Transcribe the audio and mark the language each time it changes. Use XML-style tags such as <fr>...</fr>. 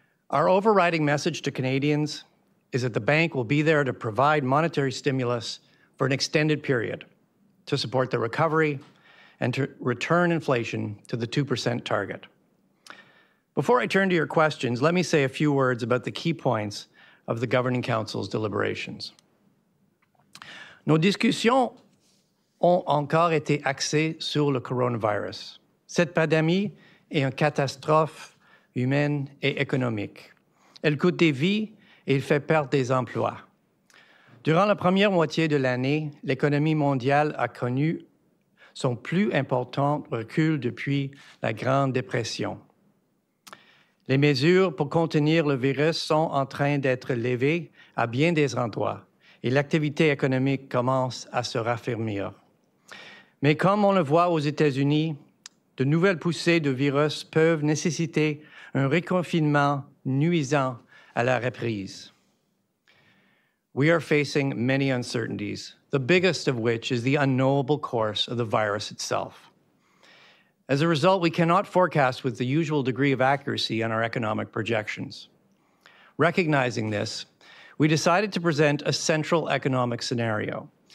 <en>Our overriding message to Canadians is that the bank will be there to provide monetary stimulus for an extended period to support the recovery and to return inflation to the 2% target. Before I turn to your questions, let me say a few words about the key points of the Governing Council's deliberations.</en> <fr>Nos discussions ont encore été axées sur le coronavirus. Cette pandémie est une catastrophe humaine et économique. Elle coûte des vies et fait perdre des emplois. Durant la première moitié de l'année, l'économie mondiale a connu son plus important recul depuis la Grande Dépression. Les mesures pour contenir le virus sont en train d'être levées à bien des endroits et l'activité économique commence à se raffermir. Mais comme on le voit aux États-Unis, de nouvelles poussées de virus peuvent nécessiter un reconfinement nuisant à la reprise.</fr> <en>We are facing many uncertainties, the biggest of which is the unknowable course of the virus itself. As a result, we cannot forecast with the usual degree of accuracy on our economic projections. Recognizing this, we decided to present a central economic scenario.</en>